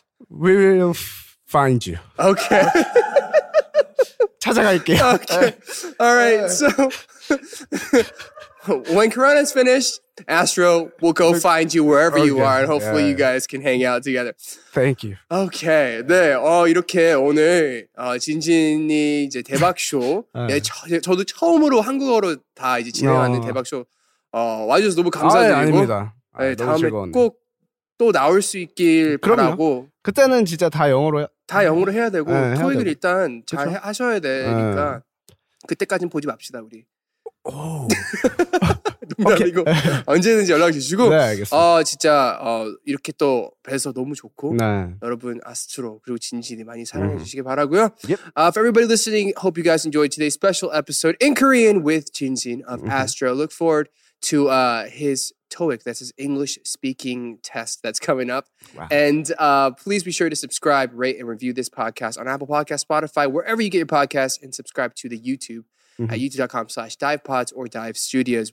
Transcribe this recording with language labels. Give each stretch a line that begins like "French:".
English: We will find you. Okay.
Korean: 찾아갈게요.
English: Okay. All right. So when Corona's finished, Astro will go find you wherever okay. you are, and hopefully yeah. you guys can hang out together. Thank you. Okay. 네.
Korean: 이렇게 오늘 진진이 이제 대박쇼. 네. 저도 처음으로 한국어로 다 이제 진행하는 대박쇼. 와주셔서 너무 감사드리고. 아닙니다. 네, 다음에 꼭 또 나올 수 있길 그럼요. 바라고 그때는 진짜 다 영어로 다 영어로 해야 되고 네, 토익을 일단 잘 그렇죠? 하셔야 되니까 그때까진 보지 맙시다 우리 오 농담이고 언제든지 연락 주시고 네 알겠습니다. 진짜 이렇게 또 뵈서 너무 좋고 네. 여러분 아스트로 그리고 진진이 많이 사랑해 주시길 바라고요.
English: Yep. For everybody listening, hope you guys enjoyed today's special episode in Korean with Jinjin of Astro. Look forward to his TOEIC, that's his English speaking test that's coming up. Wow. And please be sure to subscribe, rate, and review this podcast on Apple Podcasts, Spotify, wherever you get your podcasts, and subscribe to the YouTube at youtube.com/divepods or dive studios.